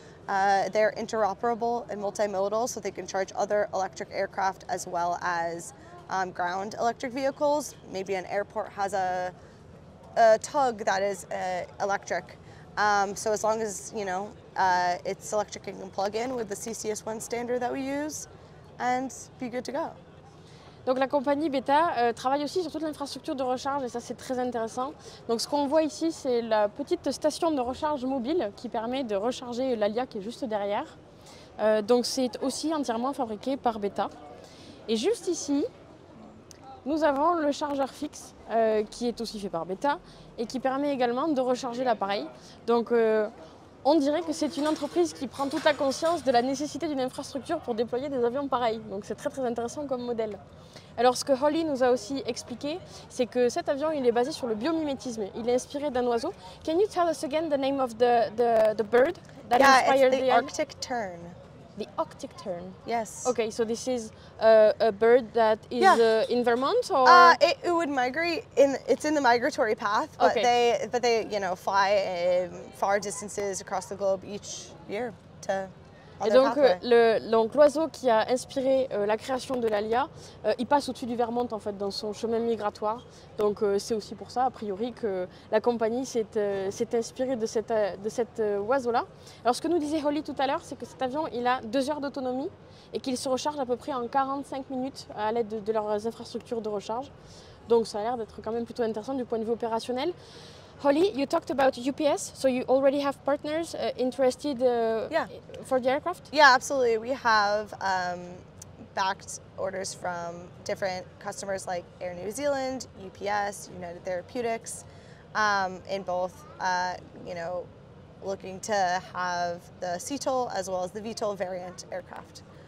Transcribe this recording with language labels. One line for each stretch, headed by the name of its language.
English: They're interoperable and multimodal, so they can charge other electric aircraft as well as ground electric vehicles. Maybe an airport has a tug that is electric. So as long as, you know, it's electric and can plug in with the CCS1 standard that we use and be good to go.
French: Donc la compagnie Beta travaille aussi sur toute l'infrastructure de recharge et ça c'est très intéressant. Donc ce qu'on voit ici c'est la petite station de recharge mobile qui permet de recharger l'Aaliyah qui est juste derrière. Donc c'est aussi entièrement fabriqué par Beta. Et juste ici, nous avons le chargeur fixe qui est aussi fait par Beta et qui permet également de recharger l'appareil. Donc on dirait que c'est une entreprise qui prend toute la conscience de la nécessité d'une infrastructure pour déployer des avions pareils. Donc c'est très très intéressant comme modèle. Alors ce que Holly nous a aussi expliqué, c'est que cet avion il est basé sur le biomimétisme. Il est inspiré d'un oiseau.
English: Can you tell us again the name of the bird that inspired it's the Arctic tern. The Arctic tern. Yes. Okay, so this is a bird that is in Vermont, or it would migrate in. It's in the migratory path, but they you know fly far distances across the globe each year to.
French: Et donc, l'oiseau qui a inspiré la création de l'Aaliyah, il passe au-dessus du Vermont, en fait, dans son chemin migratoire. Donc, c'est aussi pour ça, a priori, que la compagnie s'est inspirée de cet oiseau-là. Alors, ce que nous disait Holly tout à l'heure, c'est que cet avion, il a 2 heures d'autonomie et qu'il se recharge à peu près en 45 minutes à l'aide de leurs infrastructures de recharge. Donc, ça a l'air d'être quand même plutôt intéressant du point de vue opérationnel.
English: Holly, you talked about UPS, so you already have partners interested for the aircraft? Yeah, absolutely. We have backed orders from different customers like Air New Zealand, UPS, United Therapeutics, in both, you know, looking to have the CTOL as well as the VTOL variant aircraft.